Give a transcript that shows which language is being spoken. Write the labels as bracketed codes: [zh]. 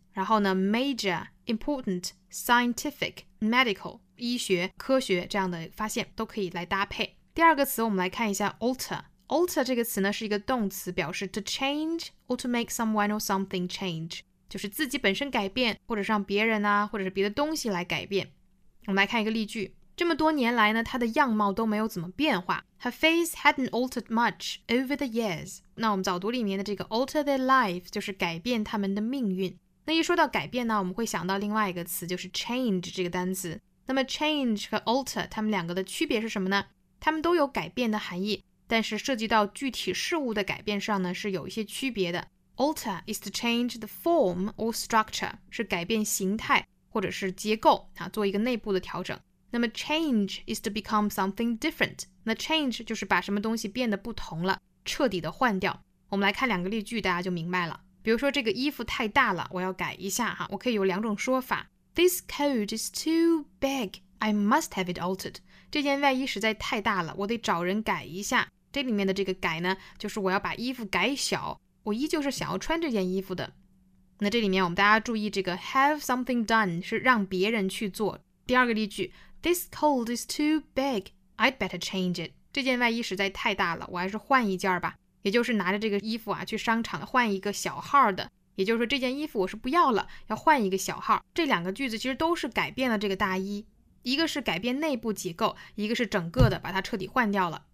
[zh] 然后呢 major important scientific medical 医学科学这样的发现都可以来搭配第二个词我们来看一下 alter 这个词呢是一个动词表示 [en] to change or to make someone or something change [zh] 就是自己本身改变或者让别人啊或者是别的东西来改变我们来看一个例句这么多年来呢，她的样貌都没有怎么变化。 [en] Her face hadn't altered much over the years. [zh] 那我们早读里面的这个 alter their life 就是改变他们的命运。那一说到改变呢，我们会想到另外一个词，就是 change 这个单词。那么 change 和 alter 它们两个的区别是什么呢？它们都有改变的含义，但是涉及到具体事物的改变上呢，是有一些区别的。 [en] Alter is to change the form or structure, [zh] 是改变形态或者是结构、啊、做一个内部的调整。那么 [en] change is to become something different, [zh] 那 change 就是把什么东西变得不同了，彻底的换掉。我们来看两个例句，大家就明白了。比如说这个衣服太大了，我要改一下、啊、我可以有两种说法。 [en] This coat is too big, I must have it altered. [zh] 这件外衣实在太大了，我得找人改一下。这里面的这个改呢，就是我要把衣服改小，我依旧是想要穿这件衣服的。那这里面我们大家注意这个 have something done 是让别人去做。第二个例句， [en] This coat is too big, I'd better change it. [zh] 这件外衣实在太大了，我还是换一件吧。也就是拿着这个衣服啊去商场换一个小号的。也就是说这件衣服我是不要了，要换一个小号。这两个句子其实都是改变了这个大衣，一个是改变内部结构，一个是整个的把它彻底换掉了。